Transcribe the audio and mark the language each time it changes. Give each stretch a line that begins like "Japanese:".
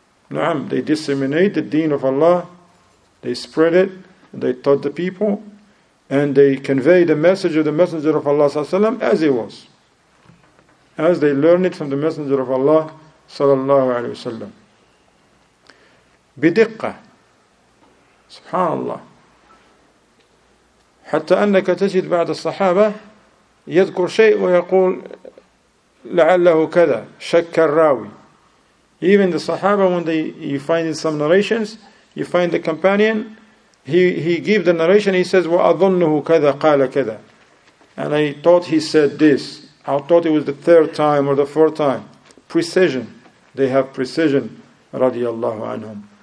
English: Naam, they disseminate the deen of Allah, they spread it, they taught the people, and they convey the message of the Messenger of Allah وسلم, as it was, as they learned it from the Messenger of Allah
Arabic: sallallahu alayhi wa sallam. بدقة سبحان الله حتى أنك تجد بعد الصحابة يذكر شيء ويقول لعله كذا شك الراوي.
English: Even the Sahaba, when you find in some narrations, you find the companion, he gives the narration, he says,
Arabic: وَأَظُنُّهُ كَذَا قَالَ كَذَا.
English: And I thought he said this. I thought it was the third time or the fourth time. Precision. They have precision,
Arabic: radiallahu anhum.